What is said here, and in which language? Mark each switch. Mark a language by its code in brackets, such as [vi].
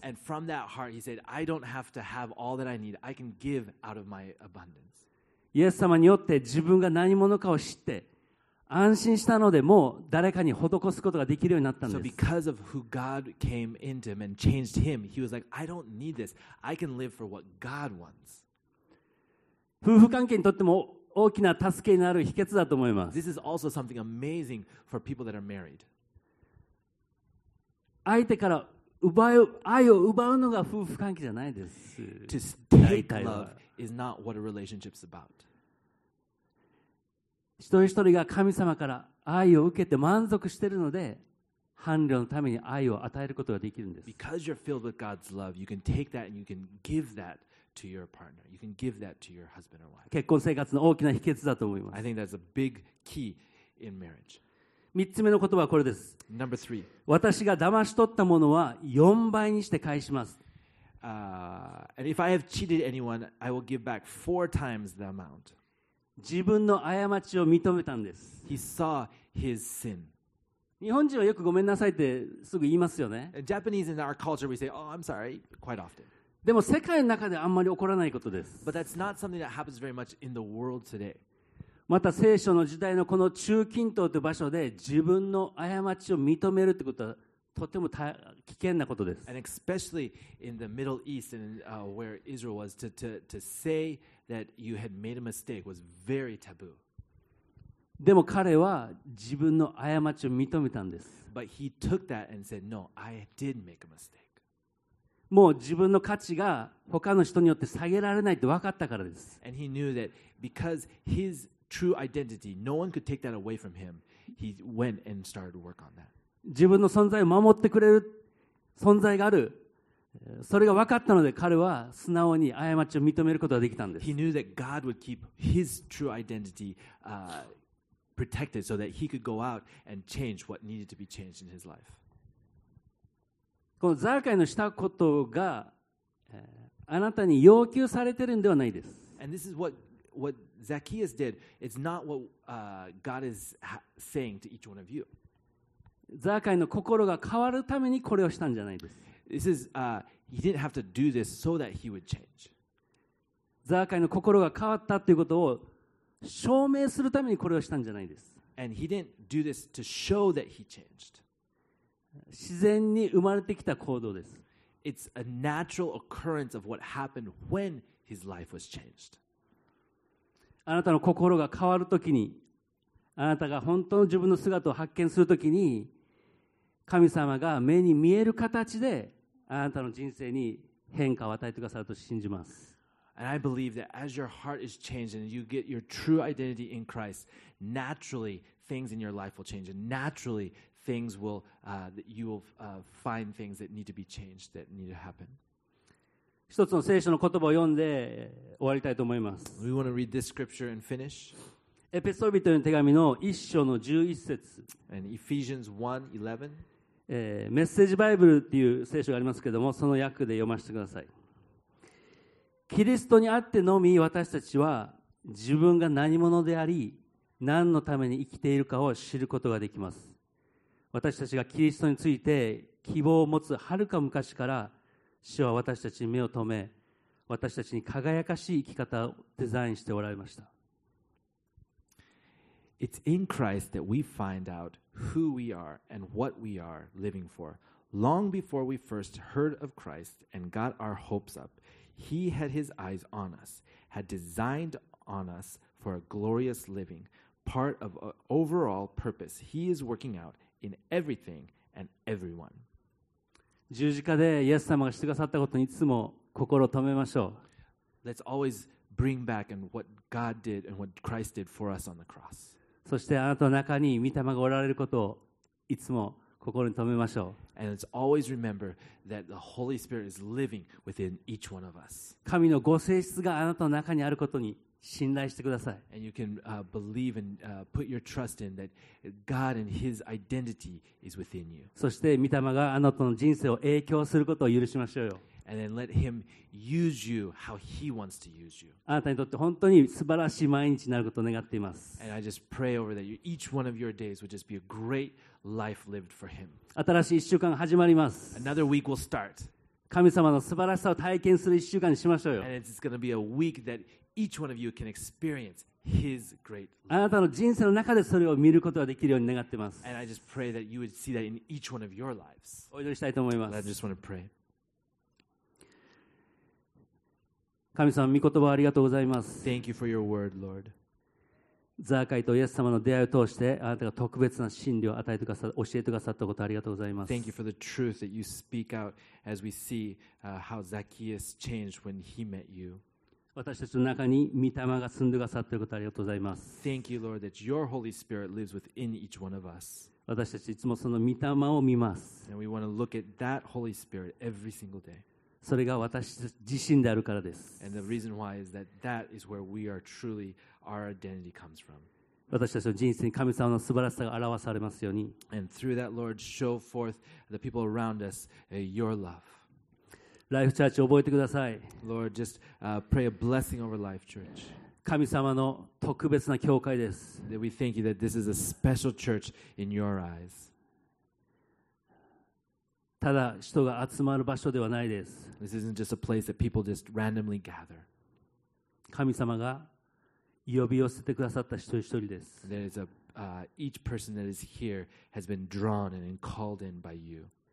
[en] And from that heart, he said, I don't have to have all that I need. I can give out of my abundance. [ja] イエス様によって自分が何者かを知って安心したので、もう誰かに施すことができるようになったんです。 [en] So because of who God came into him and changed him, he was like, I don't need this. I can live for what God wants. [ja] 夫婦関係にとっても大きな助けになる秘訣だと思います。 [en] This is also something amazing for people that are married. [ja] 相手から奪う愛を奪うのが夫婦関係じゃないです。 [en] To take love is not what a relationship's about. [ja] 一人一人が神様から愛を受けて満足しているので、伴侶のために愛を与えることができるんです。 [en] Because you're filled with God's love, you can take that and you can give that. To your partner. You can give that to your husband or wife. [ja] 結婚生活の大きな秘訣だと思います。 [en] I think that's a big key in marriage. [ja] 3つ目の言葉はこれです。 [en] Number three. [ja] 私が騙し取ったものは4倍にして返します。 [en] And if I have cheated anyone, I will give back four times the amount. [ja] 自分の過ちを認めたんです。 [en] He saw his sin. [ja] 日本人はよくごめんなさいってすぐ言いますよね。 [en] Japanese in our culture, we say, oh, I'm sorry, quite often. [ja] でも世界の中であんまり起こらないことです。 [en] But that's not something that happens very much in the world today. [ja] また聖書の時代のこの中近東という場所で自分の過ちを認めるということはとても危険なことです。 [en] And especially in the Middle East and where Israel was, to say that you had made a mistake was very taboo. [ja] でも彼は自分の過ちを認めたんです。 [en] But he took that and said, no, I did make a mistake. [ja] もう自分の価値が他の人によって下げられないって分かったからです。 [en] And he knew that because his true identity, no one could take that away from him, he went and started to work on that. [ja] 自分の存在を守ってくれる存在がある。それが分かったので彼は素直に過ちを認めることができたんです。 [en] He knew that God would keep his true identity, protected so that he could go out and change what needed to be changed in his life. [ja] このザーカイのしたことが、あなたに要求されてるんではないです。 [en] And this is what Zacchaeus did. It's not what God is saying to each one of you. [ja] ザーカイの心が変わるためにこれをしたんじゃないです。 [en] This is he didn't have to do this so that he would change. [ja] ザーカイの心が変わったということを証明するためにこれをしたんじゃないです。 [en] And he didn't do this to show that he changed. [ja] 自然に生まれてきた行動です。 [en] It's a natural occurrence of what happened when his life was changed. [ja] あなたの心が変わるときに、あなたが本当の自分の姿を発見するときに、神様が目に見える形であなたの人生に変化を与えてくださると信じます。 [en] And I believe that as your heart is changed and you get your true identity in Christ, naturally things in your life will change and naturally. Things will that you will find things that need to be changed that need to happen. [ja] 一つの聖書の言葉を読んで終わりたいと思います。 [en] We want to read this scripture and finish. [ja] エペソ人への手紙の1章の11節。 [en] And Ephesians 1:11. [ja] メッセージバイブルっていう聖書がありますけれども、その訳で読ませてください。キリストにあってのみ私たちは自分が何者であり、何のために生きているかを知ることができます。私たちがキリストについて希望を持つはるか昔から主は私たちに目を留め私たちに輝かしい生き方をデザインしておられました。 [en] It's in Christ that we find out who we are and what we are living for. Long before we first heard of Christ and got our hopes up, He had His eyes on us, had designed on us for a glorious living, part of an overall purpose He is working outin everything and everyone. [ja] 十字架でイエス様がしてくださったことにいつも心を止めましょう。 [en] Let's always bring back and what God did and what Christ did for us on the cross. [ja] そしてあなたの中に御霊がおられることをいつも心に留めましょう。 [en] And let's always remember that the Holy Spirit is living within each one of us. [ja] 神のご性質があなたの中にあることに信頼してください。 [en] And you can believe and put your trust in that God and His identity is within you. [ja] そして御霊があなたの人生を影響することを許しましょうよ。 [en] And then let Him use you how He wants to use you. [ja] あなたにとって本当に素晴らしい毎日になることを願っています。 [en] And I just pray over that each one of your days would just be a great life lived for Him. [ja] 新しい1週間が始まります。 [en] Another week will start. [ja] 神様の素晴らしさを体験する1週間にしましょうよ。 [en] And it's going to be a week that each one of you can experience His great life. [ja] あなたの人生の中でそれを見ることができるように願っています。 [en] And I just pray that you would see that in each one of your lives. [ja] お祈りしたいと思います。 [en] And I just want to pray. [ja] 神様、御言葉ありがとうございます。 [en] Thank you for your word, Lord. [ja] ザーカイとイエス様の出会いを通して、あなたが特別な真理を与えてくださ、教えてくださったことありがとうございます。 [en] Thank you for the truth that you speak out as we see how Zacchaeus changed when he met you. [ja] 私たちの中に御霊が住んでくださっていることありがとうございます。 [en] Thank you, Lord, that your Holy Spirit lives within each one of us. [ja] 私たちいつもその御霊を見ます。 [en] And we want to look at that Holy Spirit every single day. [ja] それが私自身であるからです。 [en] And the reason why is that that is where we are truly, our identity comes from. [ja] 私たちの人生に神様の素晴らしさが表されますように。 [en] And through that, Lord, show forth the people around us your love. [ja] Life Church, 覚えてください。 [en] Lord, just pray a blessing over Life Church. [ja] 神様の特別な教会です。 [en] That we thank you that this is a special church in your eyes. [ja] ただ人が集まる場所ではないです。 [en] This isn't just a place that people just randomly gather. [ja] 神様が呼び寄せてくださった一人一人です。 [en] There is a, each person that is here has been drawn and called in by you.